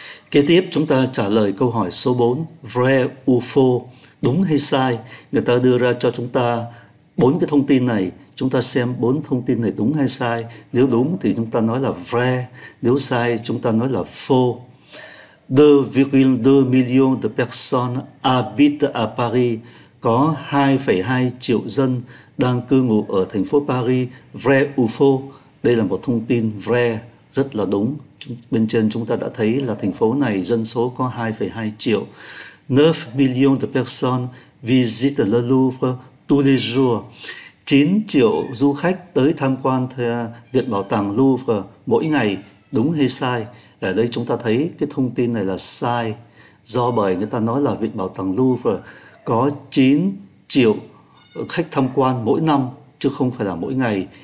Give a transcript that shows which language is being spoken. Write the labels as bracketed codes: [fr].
[vi] Kế tiếp chúng ta trả lời câu hỏi số 4, [fr] vrai ou faux, [vi] đúng hay sai. Người ta đưa ra cho chúng ta bốn cái thông tin này, chúng ta xem bốn thông tin này đúng hay sai. Nếu đúng thì chúng ta nói là vrai, nếu sai chúng ta nói là faux. [fr] 2,2 million de personnes habitent à Paris. [vi] Có 2,2 triệu dân đang cư ngụ ở thành phố Paris. [fr] Vrai ou faux? [vi] Đây là một thông tin vrai, rất là đúng. Bên trên chúng ta đã thấy là thành phố này dân số có 2,2 triệu. [fr] 9 million de personnes visitent le Louvre tous les jours. [vi] 9 triệu du khách tới tham quan viện bảo tàng Louvre mỗi ngày, đúng hay sai? Ở đây chúng ta thấy cái thông tin này là sai, do bởi người ta nói là viện bảo tàng Louvre có 9 triệu khách tham quan mỗi năm chứ không phải là mỗi ngày.